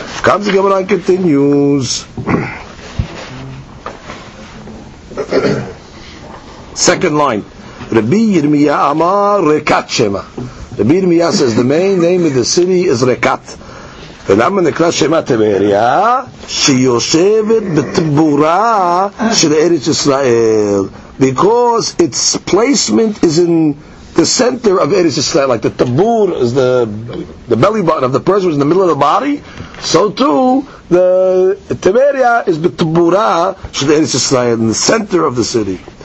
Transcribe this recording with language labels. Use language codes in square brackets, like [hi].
[en] Comes the Gemara and continues. Second line. [he] Rabbi Yirmiya Amar Rekat Shema. [en] Rabbi Yirmiya says the main name of the city is Rekat. [he] ולמה נקרא שמה טבריה? שיושבת בתבורה של ארץ ישראל. [en] Because its placement is in the center of Eretz Yisrael, like the tabur is the belly button of the person, is in the middle of the body. So too, the Tiberia is [he] b'tabura shel Eretz Yisrael, [en] in the center of the city.